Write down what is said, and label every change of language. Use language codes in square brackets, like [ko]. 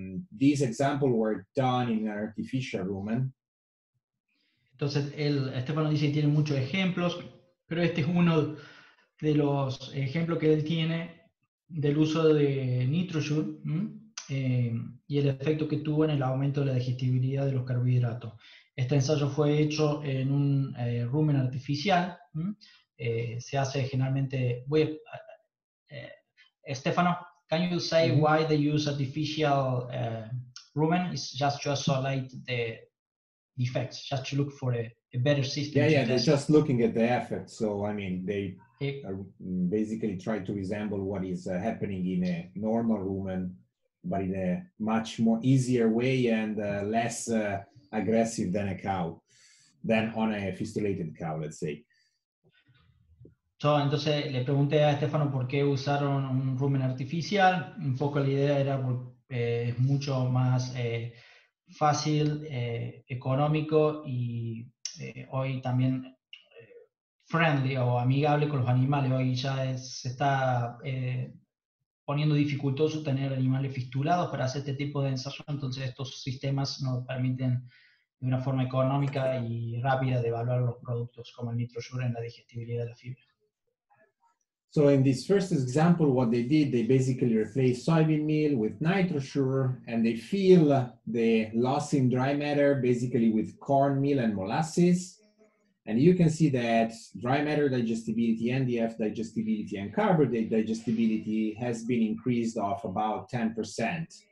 [en] These examples were done in an artificial rumen. [es] Entonces, Estefano dice que tiene muchos ejemplos, pero este es uno de los ejemplos que él tiene del uso de NitroSure y el efecto que tuvo en el aumento de la digestibilidad de los carbohidratos. Este ensayo fue hecho en un rumen artificial. Se hace generalmente... [en] Stefano, can you say why they use artificial rumen? It's just to isolate the effects, just to look for a better system. Yeah, they're just looking at the effect. So, I mean, they basically try to resemble what is happening in a normal rumen, but in a much more easier way and less aggressive than a cow, than on a fistulated cow, let's say. [es] So, entonces le pregunté a Estefano por qué usaron un rumen artificial. Un poco la idea era mucho más fácil, económico y hoy también friendly o amigable con los animales. Hoy ya se está poniendo dificultoso tener animales fistulados para hacer este tipo de ensayo. Entonces estos sistemas nos permiten de una forma económica y rápida de evaluar los productos como el NitroSure en la digestibilidad de la fibra. [en] So in this first example, what they did, they basically replaced soybean meal with NitroSure, and they fill the loss in dry matter basically with cornmeal and molasses. And you can see that dry matter digestibility, NDF digestibility, and carbohydrate digestibility has been increased of about 10%.